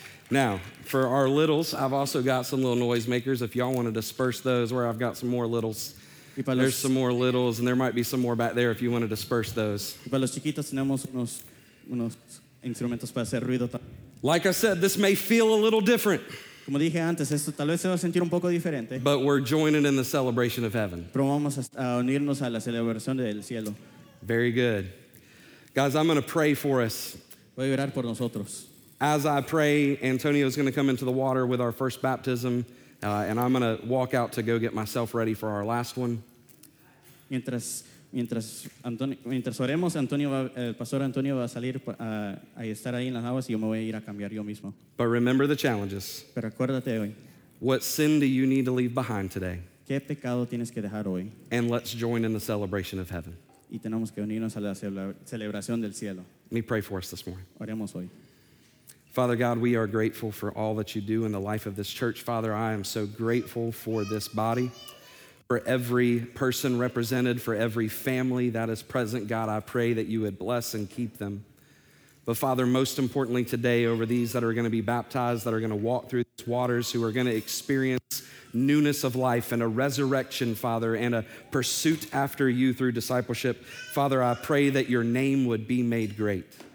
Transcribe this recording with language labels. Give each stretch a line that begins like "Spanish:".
English: Now, for our littles, I've also got some little noisemakers. If y'all want to disperse those, where I've got some more littles. There's some more littles, and there might be some more back there if you want to disperse those. Like I said, this may feel a little different.
Spanish: Como dije antes, esto tal vez se va a sentir un poco diferente.
English: But we're joining in the celebration of heaven.
Spanish: Pero vamos a unirnos a la celebración del cielo.
English: Very good. Guys, I'm going to pray for us.
Spanish: Voy a orar por nosotros.
English: As I pray, Antonio is going to come into the water with our first baptism. And I'm going to walk out to go get myself ready for our last one.
Spanish: Mientras oremos, el pastor Antonio va a salir a estar ahí en las aguas y yo me voy a ir a cambiar yo mismo.
English: But remember the challenges.
Spanish: Pero acuérdate hoy.
English: What sin do you need to leave behind today?
Spanish: ¿Qué pecado tienes que dejar hoy?
English: And let's join in the celebration of heaven.
Spanish: Y tenemos que unirnos a la celebración del cielo.
English: Let me pray for us this morning.
Spanish: Oremos hoy.
English: Father God, we are grateful for all that you do in the life of this church. Father, I am so grateful for this body, for every person represented, for every family that is present. God, I pray that you would bless and keep them. But Father, most importantly today, over these that are going to be baptized, that are going to walk through these waters, who are going to experience newness of life and a resurrection, Father, and a pursuit after you through discipleship, Father, I pray that your name would be made great.